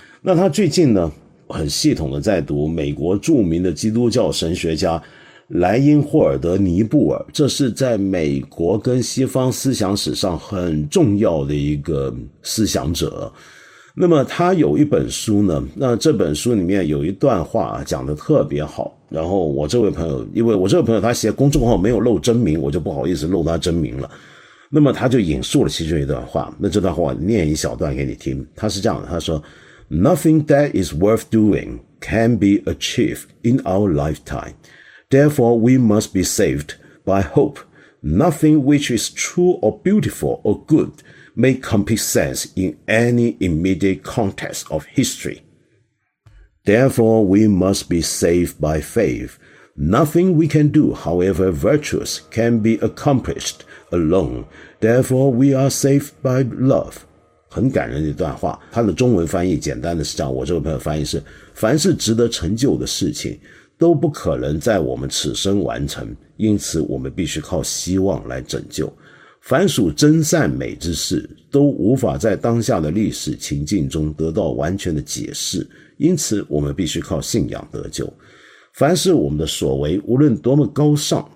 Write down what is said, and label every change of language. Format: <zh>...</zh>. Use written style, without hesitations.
<zh>那他最近呢，很系统的在读美国著名的基督教神学家莱因霍尔德·尼布尔，这是在美国跟西方思想史上很重要的一个思想者。那么他有一本书呢，那这本书里面有一段话讲得特别好。然后我这位朋友，因为我这位朋友他写公众号没有露真名，我就不好意思露他真名了。那么他就引述了其中一段话，那这段话我念一小段给你听。他是这样的，他说：</zh> <en>“Nothing that is worth doing can be achieved in our lifetime.” Therefore, we must be saved by hope. Nothing which is true or beautiful or good may compete sense in any immediate context of history. Therefore, we must be saved by faith. Nothing we can do, however virtuous, can be accomplished alone. Therefore, we are saved by love.</en> <zh>很感人的一段话，它的中文翻译简单的是这样，我这个朋友翻译是：凡是值得成就的事情，都不可能在我们此生完成，因此我们必须靠希望来拯救。凡属真善美之事，都无法在当下的历史情境中得到完全的解释，因此我们必须靠信仰得救。凡是我们的所为，无论多么高尚，</zh>